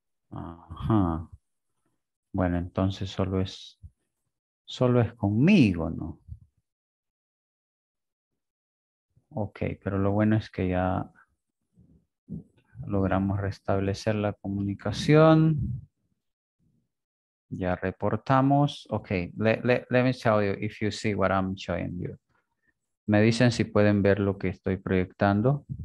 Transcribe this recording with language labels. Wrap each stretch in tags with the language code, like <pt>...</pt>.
<es>Ajá. Bueno, entonces solo es conmigo, ¿no? Ok, pero lo bueno es que ya logramos restablecer la comunicación. Ya reportamos.</es> <en>Ok, let me tell you if you see what I'm showing you.</en> <es>Me dicen si pueden ver lo que estoy proyectando.</es>